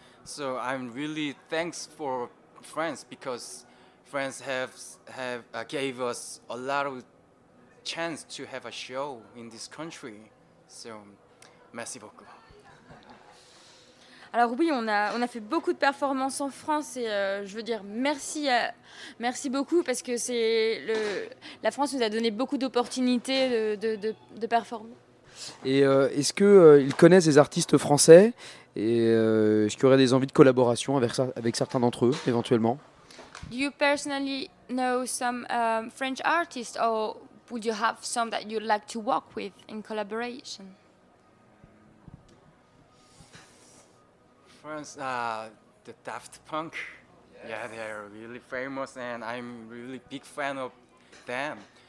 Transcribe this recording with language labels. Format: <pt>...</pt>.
<en>So I'm really thanks for France because France gave us a lot of chance to have a show in this country.</en> <fr>So merci beaucoup. Alors oui, on a fait beaucoup de performances en France et je veux dire merci beaucoup parce que la France nous a donné beaucoup d'opportunités de performer. Et est-ce que ils connaissent des artistes français et est-ce qu'il y aurait des envies de collaboration avec certains d'entre eux éventuellement?</fr> <en>Do you personally know some French artists or would you have some that you'd like to work with in collaboration? France, the Daft Punk, yes. Yeah, they're really famous and I'm really big fan of them.</en>